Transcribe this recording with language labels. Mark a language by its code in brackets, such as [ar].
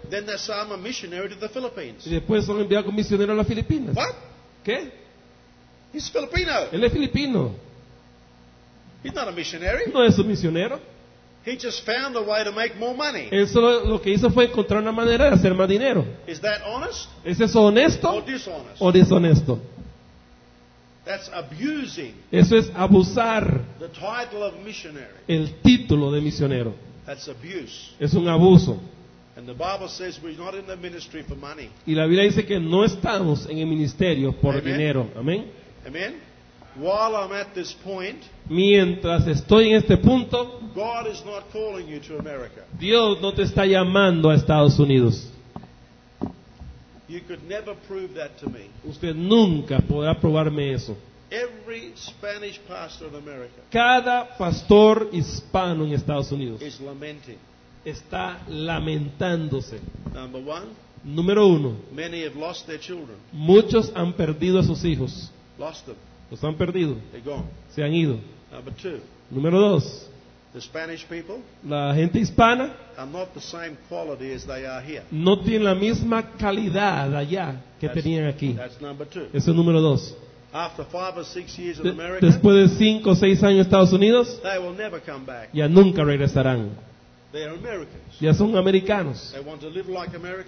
[en] Then they say I'm a missionary to the Philippines. [es] Y después son enviados como misionero a las Filipinas. [en] What? [es] ¿Qué? [en] He's Filipino. [es] Él es filipino. [en] He's not a missionary. [es] No es un misionero. [en] He just found a way to make more money. [es] Eso lo que hizo fue encontrar una manera de hacer más dinero. [en] Is that honest? [es] ¿Es eso honesto? [en] Or dishonest? [es] ¿O deshonesto? [en] That's abusing. [es] Eso es abusar. [en] The title of missionary. [es] El título de misionero. [en] That's abuse. [es] Es un abuso. [en] And the Bible says we're not in the ministry for money. [es] Y la Biblia dice que no estamos en el ministerio por [en] Amen. [es] Dinero. Amén. [en] Amen. While I'm at this point, [es] mientras estoy en este punto, [en] God is not calling you to America. [es] Dios no te está llamando a Estados Unidos. [en] You could never prove that to me. [es] Usted nunca podrá probarme eso. [en] Every Spanish pastor in America. [es] Cada pastor hispano en Estados Unidos. [en] Is lamenting. [es] Está lamentándose. [en] Number one. [es] Número uno. [en] Many have lost their children. [es] Muchos han perdido a sus hijos. [en] Lost them. [es] Los han perdido. [en] They're gone. [es] Se han ido. [en] Number two. [es] Número dos. [en] The Spanish people, [es] la gente hispana, [en] are not the same quality as they are here. [es] No tienen la misma calidad allá que tenían aquí. [en] That's number two. [es] Eso es número dos. [en] After 5 or 6 years in America, [es] después de 5 o 6 años en Estados Unidos, [en] they will never come back. [es] Ya nunca regresarán. [en] They are Americans. [es] Ya son americanos. [en] They want to live like Americans.